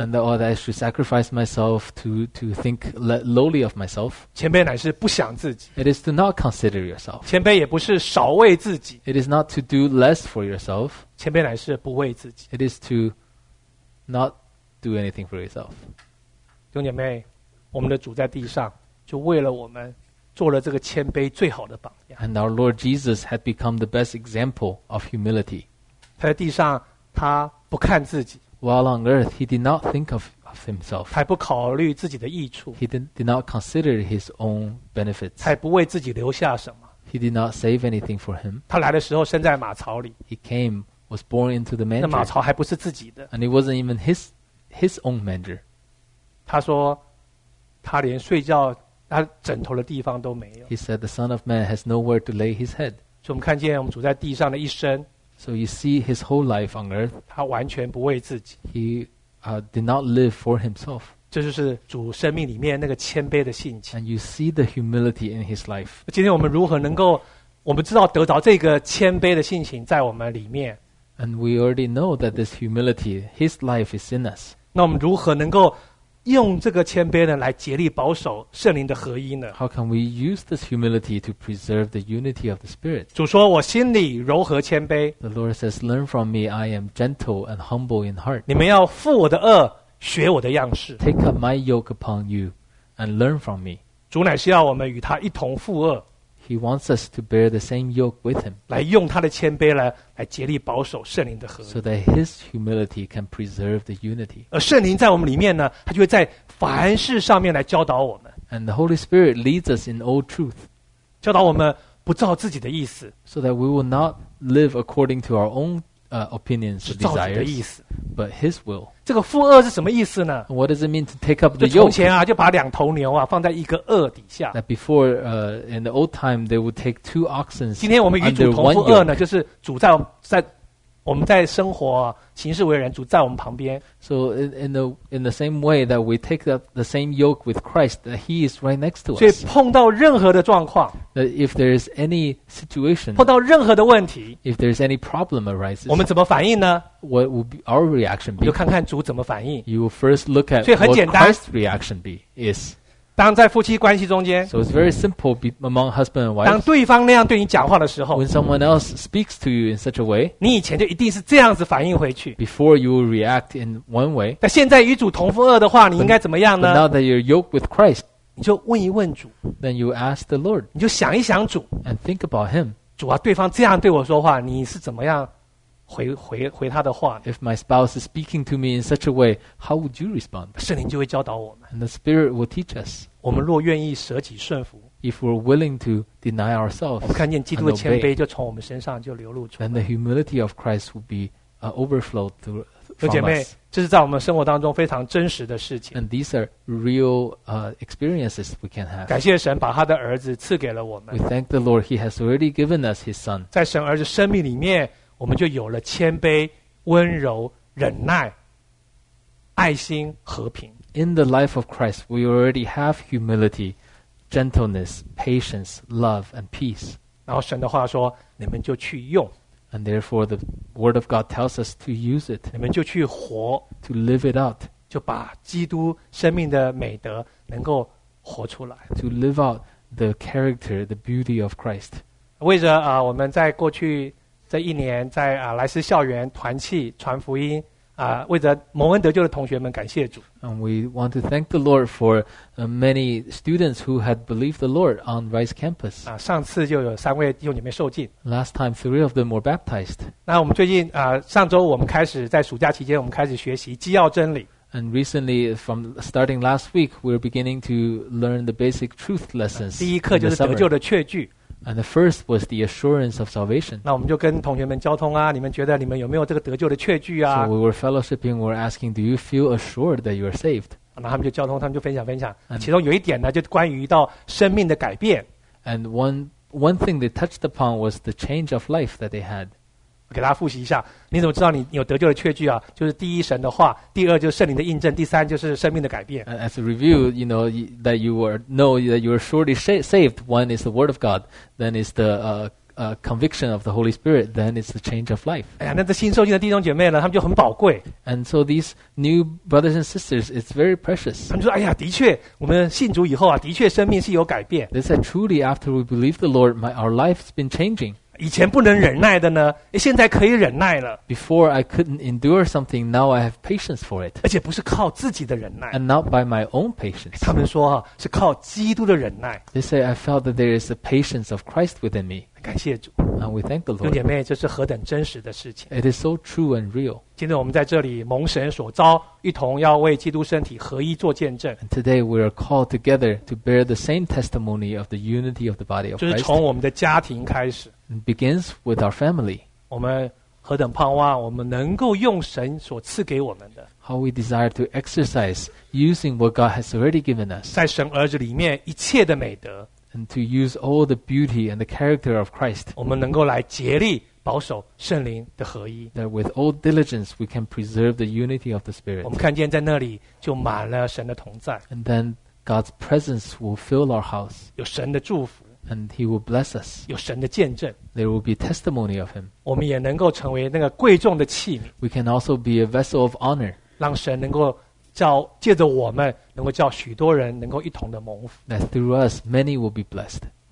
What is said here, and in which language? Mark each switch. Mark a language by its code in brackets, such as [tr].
[en] And that I should sacrifice myself to think lowly of myself. [zh] 谦卑乃是不想自己。 [en] It is to not consider yourself. [zh] 谦卑也不是少为自己。 [en] It is not to do less for yourself. [zh] 谦卑乃是不为自己。 [en] It is to not do anything for yourself. [zh] 弟兄姐妹，我们的主在地上就为了我们做了这个谦卑最好的榜样。 [en] And our Lord Jesus had become the best example of humility. [zh] 他在地上，他不看自己。 [en] While on earth, he did not think of himself. [zh] 他不考虑自己的益处。 [en] He did not consider his own benefits. [zh] 他不为自己留下什么。 [en] He did not save anything for him. [zh] 他来的时候生在马槽里。 [en] He came, was born into the manger. [zh] 那马槽还不是自己的。 [en] And it wasn't even his own manger. [zh] 他说，他连睡觉他枕头的地方都没有。 [en] He said, "The Son of Man has nowhere to lay his head." [zh] 所以我们看见我们主在地上的一生。 [en] So you see his whole life on earth. [zh] 他完全不为自己。 [en] He did not live for himself. [zh] 这就是主生命里面那个谦卑的性情。 [en] And you see the humility in his life. [zh] 今天我们如何能够，我们知道得到这个谦卑的性情在我们里面。 [en] And we already know that this humility, his life is in us. [zh] 那我们如何能够用这个谦卑呢，来竭力保守圣灵的合一呢？ [en] How can we use this humility to preserve the unity of the Spirit? [zh] 主说，我心里柔和谦卑。 [en] The Lord says, learn from me, I am gentle and humble in heart. [zh] 你们要负我的轭，学我的样式。 [en] Take up my yoke upon you and learn from me. [zh] 主乃是要我们与他一同负轭。 [en] He wants us to bear the same yoke with him. [zh] 来用他的谦卑来竭力保守圣灵的合一。 [en] So that his humility can preserve the unity. [zh] 而圣灵在我们里面呢，他就会在凡事上面来教导我们。 [en] And the Holy Spirit leads us in all truth. [zh] 教导我们不照自己的意思。 [en] So that we will not live according to our own opinions or desires. [zh] 是照主的意思。 [en] But his will. [zh] 这个负轭是什么意思呢？ [en] What does it mean to take up the yoke? [zh] 就从前啊，就把两头牛啊，放在一个轭底下。 [en] That before, in the old time, they would take two oxen. [zh] 今天我们与主同负轭呢，就是主在我们在生活啊，行事为人，主在我们旁边。 [en] So in the same way that we take up the same yoke with Christ, that he is right next to us. [zh] 所以碰到任何的状况， [en] that if there is any situation, [zh] 碰到任何的问题， [en] if there is any problem arises, [zh] 我们怎么反应呢？ [en] What will be our reaction be? [zh] 就看看主怎么反应。 [en] You will first look at what Christ's reaction be is. [zh] 当在夫妻关系中间， [en] So it's very simple among husband and wife. [zh] 当对方那样对你讲话的时候， [en] When someone else speaks to you in such a way, [zh] 你以前就一定是这样子反应回去。 [en] Before you will react in one way. [zh] 但现在与主同负轭的话，你应该怎么样呢？ [en] But now that you're yoked with Christ, [zh] 你就问一问主。 [en] Then you ask the Lord. [zh] 你就想一想主。 [en] And think about him. [zh] 主啊，对方这样对我说话，你是怎么样回他的话。 [en] If my spouse is speaking to me in such a way, how would you respond? [zh] 圣灵就会教导我们。 [en] And the Spirit will teach us. [zh] 我们若愿意舍己顺服， [en] If we're willing to deny ourselves, [zh] 我们看见基督的谦卑就从我们身上就流露出来。 [en] Then the humility of Christ will be overflowed through from us. [zh] 姐妹，这是在我们生活当中非常真实的事情。 [en] And these are real experiences we can have. [zh] 感谢神把他的儿子赐给了我们。 [en] We thank the Lord, he has already given us his son. [zh] 在神儿子生命里面，我们就有了谦卑、温柔、忍耐、爱心、和平。 [en] In the life of Christ, we already have humility, gentleness, patience, love, and peace. [zh] 然后神的话说，你们就去用。 [en] And therefore, the word of God tells us to use it. [zh] 你们就去活。 [en] To live it out. [zh] 就把基督生命的美德能够活出来。 [en] To live out the character, the beauty of Christ. [zh] 为着我们在过去这一年在莱斯校园团契传福音为着蒙恩得救的同学们感谢主。 [en] And we want to thank the Lord for many students who had believed the Lord on Rice Campus. [zh] 上次就有三位弟兄姐妹受浸。 [en] Last time, three of them were baptized. [zh] 那我们最近上周我们开始在暑假期间，我们开始学习基要真理。 [en] And recently, from starting last week, we're beginning to learn the basic truth lessons. [zh] 第一课就是得救的确据。 [en] And the first was the assurance of salvation. [zh] 那我们就跟同学们交通啊，你们觉得你们有没有这个得救的确据啊 [en] ？So we were fellowshipping. We were asking, "Do you feel assured that you are saved?" [zh] 那他们就交通，他们就分享分享。其中有一点呢，就关于到生命的改变。 [en] And one thing they touched upon was the change of life that they had. [zh] 我给大家复习一下，你怎么知道你有得救的确据啊？就是第一，神的话；第二，就是圣灵的印证；第三，就是生命的改变。 [en] And as a review, you know that you were know that you are surely saved. One is the word of God, then is the conviction of the Holy Spirit, then is the change of life. [zh] 哎呀，那这新受浸的弟兄姐妹呢，他们就很宝贵。 [en] And so these new brothers and sisters, it's very precious. [zh] 他们说：“哎呀，的确，我们信主以后啊，的确生命是有改变。” [en] They said, "Truly, after we believe the Lord, our life's been changing." [zh] 以前不能忍耐的呢，现在可以忍耐了。 [en] Before I couldn't endure something, now I have patience for it. [zh] 而且不是靠自己的忍耐。 [en] And not by my own patience. [zh] 他们说是靠基督的忍耐。 [en] They say I felt that there is the patience of Christ within me. [zh] 感谢主。 [en] And we thank the Lord. [zh] 弟兄姐妹，这是何等真实的事情。 [en] It is so true and real. [zh] 今天我们在这里蒙神所召，一同要为基督身体合一做见证。 [en] And today we are called together to bear the same testimony of the unity of the body of Christ. [zh] 就是从我们的家庭开始。 [en] And begins with our family. [zh] 我们何等盼望我们能够用神所赐给我们的。 [en] How we desire to exercise using what God has already given us. [zh] 在神儿子里面一切的美德。 [en] And to use all the beauty and the character of Christ. [zh] 我们能够来竭力保守圣灵的合一。 [en] That with all diligence we can preserve the unity of the Spirit. [zh] 我们看见在那里就满了神的同在。 [en] And then God's presence will fill our house. [zh] 有神的祝福。 [en] And he will bless us. [zh] 有神的见证。 [en] There will be testimony of him. [zh] 我们也能够成为那个贵重的器皿。 [en] We can also be a vessel of honor. [zh] 让神能够叫借着我们能够叫许多人能够一同的蒙福。 [en] That through us many will be blessed.